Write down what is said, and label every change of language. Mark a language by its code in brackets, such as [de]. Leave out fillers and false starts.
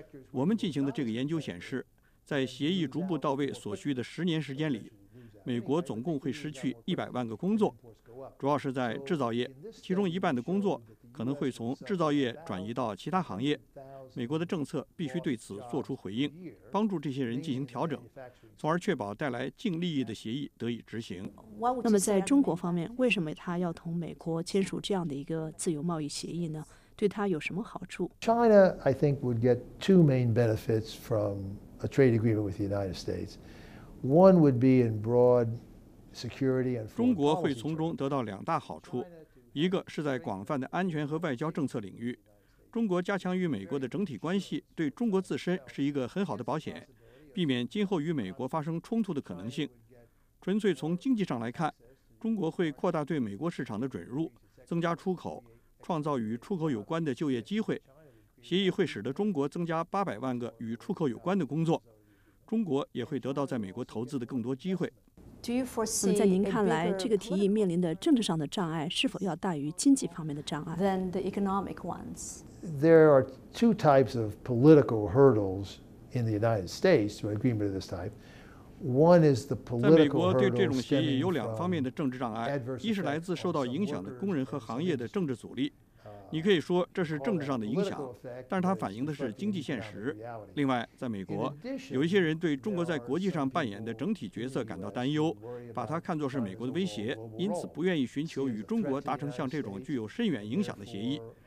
[zh] 我们进行的这个研究显示，在协议逐步到位所需的10年时间里，美国总共会失去100万个工作，主要是在制造业，其中一半的工作可能会从制造业转移到其他行业。美国的政策必须对此做出回应，帮助这些人进行调整，从而确保带来净利益的协议得以执行。那么在中国方面，为什么他要同美国签署这样的一个自由贸易协议呢？对他有什么好处？ [en] China, I think, would get two main benefits from a trade agreement with the United States. One would be in broad security and. [zh] 中国会从中得到两大好处，一个是在广泛的安全和外交政策领域。中国加强与美国的整体关系，对中国自身是一个很好的保险，避免今后与美国发生冲突的可能性。纯粹从经济上来看，中国会扩大对美国市场的准入，增加出口，创造与出口有关的就业机会。协议会使得中国增加800万个与出口有关的工作，中国也会得到在美国投资的更多机会。在您看来，这个提议面临的政治上的障碍是否要大于经济方面的障碍 [en] ？Than the economic ones. There are two types of political hurdles in the United States to an agreement of this type. One is the political hurdle. [zh] 在美国，对这种协议有两方面的政治障碍：一是来自受到影响的工人和行业的政治阻力，你可以说这是政治上的影响，但是它反映的是经济现实。另外，在美国，有一些人对中国在国际上扮演的整体角色感到担忧，把它看作是美国的威胁，因此不愿意寻求与中国达成像这种具有深远影响的协议。